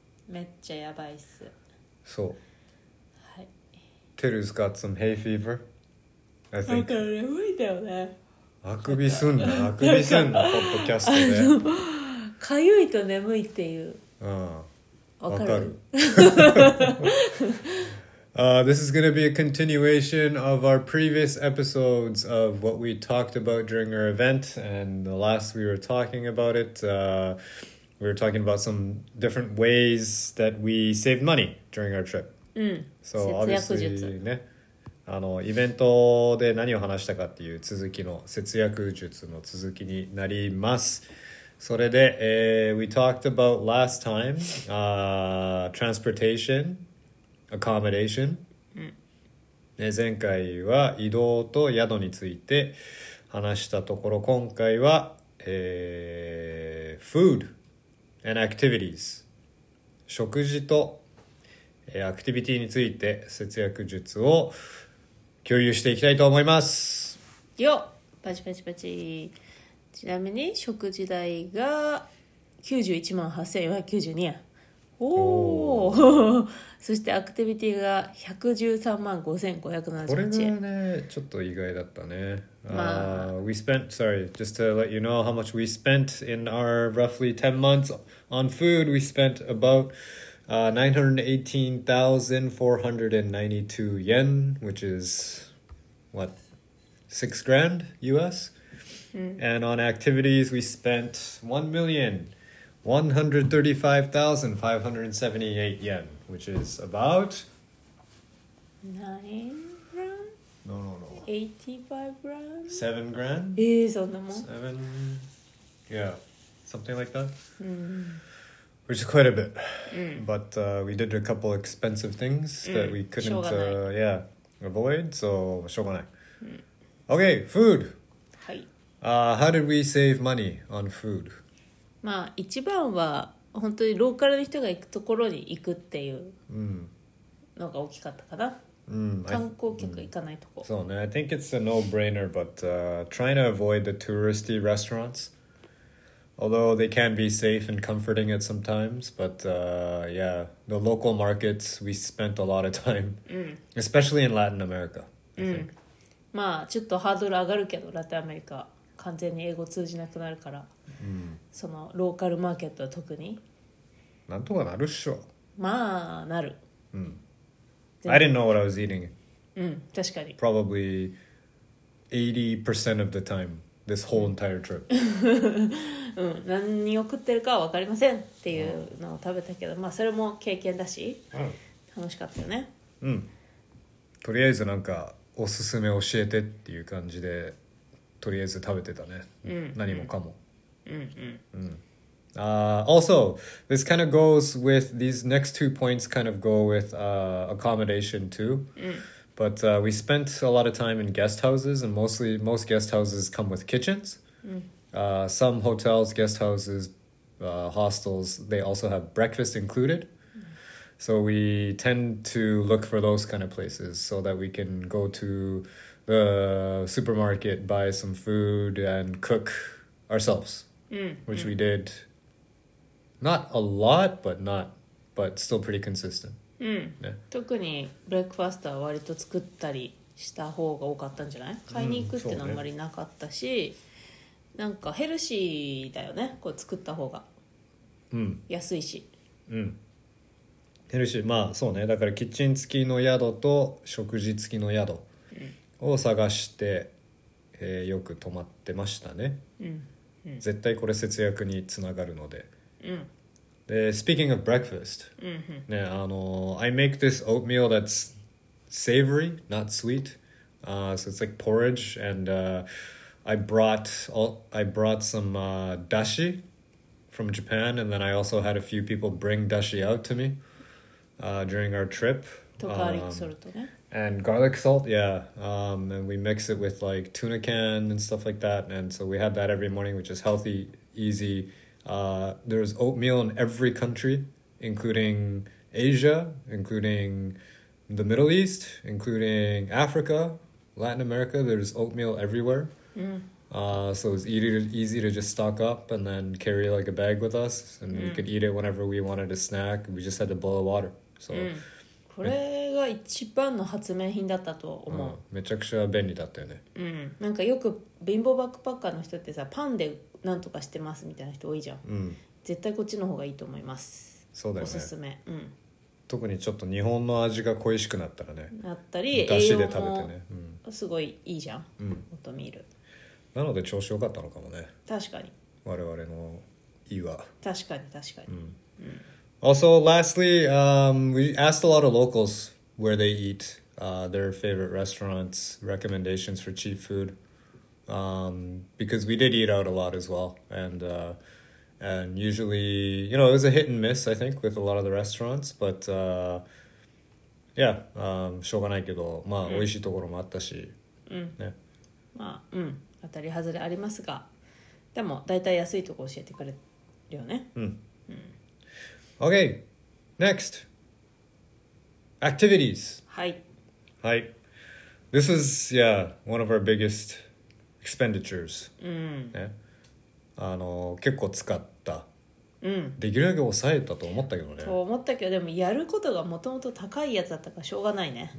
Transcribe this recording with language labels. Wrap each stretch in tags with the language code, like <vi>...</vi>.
<ja>めっちゃやばいっす。そう、はい。</ja> <en>Teru's got some hay fever、 I think。</en> <ja>なんか眠いだよね。あくびすんな、あくびすんな、ポッドキャストで。かゆいと眠いっていう。わかる。</ja> <en>this is going to be a continuation of our previous episodes of what we talked about during our event. And the last we were talking about it, we were talking about some different ways that we saved money during our trip. So obviously, ね。</en> <ja>あのイベントで何を話したかっていう続きの節約術の続きになります。それで、</ja> <en>We talked about last time、transportation, accommodation、</en> <ja>ね、前回は移動と宿について話したところ、今回は、</ja> <en>food and activities、</en> <ja>食事と、アクティビティについて節約術を共有していきたいと思います。よパチパチパチ。ちなみに食事代が91万8492円。おお。そしてアクティビティが113万5578円。これはねちょっと意外だったね。</ja> <en>まあ、we spent, sorry, just to let you know how much we spent in our roughly 10 months on food, we spent about918,492 yen, which is what, 6 grand US、And on activities we spent 1,135,578 yen, which is about 9 grand. No, no, no. 85 grand. 7 grand. Is on the mark. 7. Yeah, something like that. Mm. Which is quite a bit. But we did a couple expensive things that we couldn't avoid, so shogunai. Okay, food. How did we save money on food?</en> <ja>まあ一番は本当にローカルの人が行くところに行くっていうのが大きかったかな。観光客行かないとこ。そうね。</ja> <en>I think it's a no-brainer, but trying to avoid the touristy restaurants. Although they can be safe and comforting at some times, but yeah, the local markets, we spent a lot of time, especially in Latin America, I think.</en> <ja>まあちょっとハードル上がるけど、ラテンアメリカ完全に英語通じなくなるから、そのローカルマーケットは特になんとかなるっしょ。まあなる。</ja> <en>I didn't know what I was eating.</en> <ja>確かに。</ja> <en>Probably 80% of the time. This whole entire trip.</en> <ja>何を食ってるかは分かりませんっていうのを食べたけど、まあそれも経験だし、楽しかったよね。とりあえずなんかおすすめ教えてっていう感じでとりあえず食べてたね。何もかも。</ja> <en>Also, this kind of goes with these next two points kind of go with accommodation too. But we spent a lot of time in guest houses, and mostly most guest houses come with kitchens. Some hotels, guest houses, hostels, they also have breakfast included. So we tend to look for those kind of places so that we can go to the supermarket, buy some food, and cook ourselves, which we did not a lot, but not, but still pretty consistent.</en> <ja>特にブレックファーストは割と作ったりした方が多かったんじゃない？買いに行くってのあんまりなかったし、なんかヘルシーだよね、こう作った方が。安いし、ヘルシー。まあそうね、だからキッチン付きの宿と食事付きの宿を探して、よく泊まってましたね。絶対これ節約につながるので。</ja> <en>Speaking of breakfast, I make this oatmeal that's savory, not sweet. So it's like porridge, and I brought some dashi from Japan, and then I also had a few people bring dashi out to me during our trip.</en> <ja>とかありくするとね。</ja> <en>And garlic salt, and we mix it with like tuna can and stuff like that. And so we have that every morning, which is healthy, easy. There's oatmeal in every country, including Asia, including the Middle East, including Africa, Latin America. There's oatmeal everywhere. So it's easy to just stock up and then carry like a bag with us. And we could eat it whenever we wanted a snack. We just had to boil water. So.</en> <ja>これが一番の発明品だったと思う、うん、めちゃくちゃ便利だったよね、うん、なんかよく貧乏バックパッカーの人ってさパンでなんとかしてますみたいな人多いじゃん、うん、絶対こっちの方がいいと思います。そうだよね、おすすめ、うん、特にちょっと日本の味が恋しくなったらね、なったり出汁で食べてね、うん、すごいいいじゃん、うん、オートミール。なので調子良かったのかもね。確かに我々の胃は。確かに確かに、うん、うん。</ja> <en>Also, lastly, we asked a lot of locals where they eat, their favorite restaurants, recommendations for cheap food, because we did eat out a lot as well, and usually, you know, it was a hit and miss, I think, with a lot of the restaurants, but,</en> <ja>しょうがないけど、まあ、美味しいところもあったし、うん、ね。まあ、うん、当たり外れありますが、でも、だいたい安いとこ教えてくれるよね。</ja> <en>うん。Okay, next. Activities. Hi. Hi. This is, yeah, one of our biggest expenditures. Mm.</en> <ja>Yeah. 結構使った。うん。できるだけ抑えたと思ったけどね。と思ったけど、でもやることがもともと高いやつだったからしょうがないね。</ja>